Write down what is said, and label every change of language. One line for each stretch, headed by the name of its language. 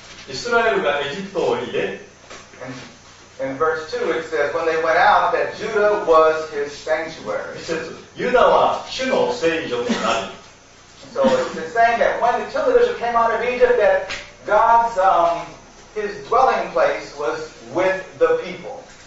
Japanese: イスラエルがエジプトを出て、
English: in verse 2 it says when they went out that Judah was his sanctuary.
Japanese: 2節、ユダは主の聖所となり。
English: So it's saying that when the children of Israel came out of Egypt, that God's his dwelling place was with the people.